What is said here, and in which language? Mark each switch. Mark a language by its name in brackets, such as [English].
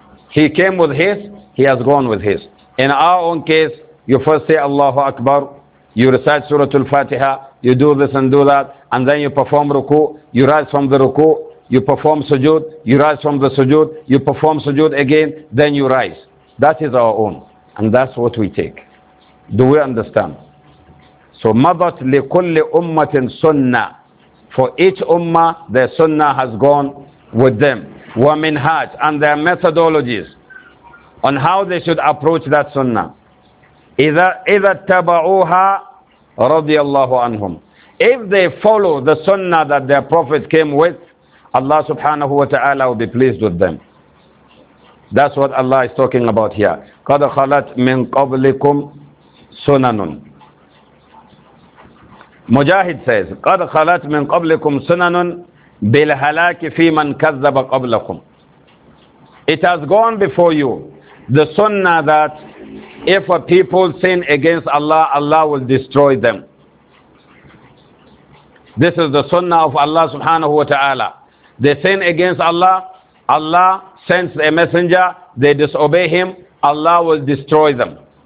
[English] He came with his, he has gone with his. In our own case, you first say Allahu Akbar, you recite Surah Al-Fatiha, you do this and do that, and then you perform ruku, you rise from the ruku, you perform sujood, you rise from the sujood, you perform sujood again, then you rise. That is our own. And that's what we take. Do we understand? [Arabic] So مَضَتْ لِكُلِّ أُمَّةٍ سُنَّةٍ. [English] For each ummah, their sunnah has gone with them. [Arabic] وَمِنْهَاجٍ. [English] And their methodologies on how they should approach that sunnah. [Arabic] إِذَا اتَّبَعُوهَا رَضِيَ اللَّهُ عَنْهُمْ. [English] If they follow the sunnah that their prophet came with, Allah subhanahu wa ta'ala will be pleased with them. That's what Allah is talking about here. [Arabic] قَدْ خَلَتْ مِنْ قَبْلِكُمْ سُنَنٌ. [English] Mujahid says, [Arabic] قَدْ خَلَتْ مِنْ قَبْلِكُمْ سُنَنٌ بِالْهَلَاكِ فِي مَنْ كَذَّبَ قَبْلَكُمْ. [English] It has gone before you, the sunnah that if a people sin against Allah, Allah will destroy them. This is the sunnah of Allah subhanahu wa ta'ala. They sin against Allah, Allah sends a messenger, they disobey him, Allah will destroy them.